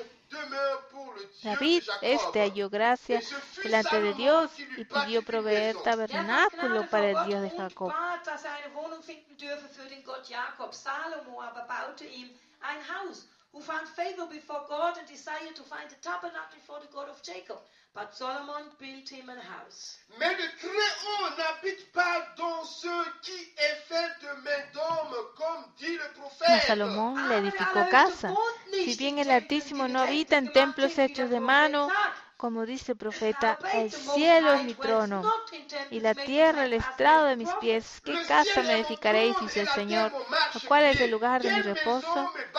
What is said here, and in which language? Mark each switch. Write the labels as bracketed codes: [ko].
[es] 46. David este halló gracia delante de Dios y pidió proveer tabernáculo para el Dios de Jacob. [en] But Solomon built him a house. [fr] Mais le Très-Haut n'habite pas dans ce qui est fait de main d'homme, comme dit le prophète. [es] Salomón le edificó casa. Si bien el Altísimo no habita en templos hechos de mano, como dice el profeta, el cielo es mi trono y la tierra el estrado de mis pies. ¿Qué casa me edificaréis, dice el Señor? ¿O cuál es el lugar de mi reposo?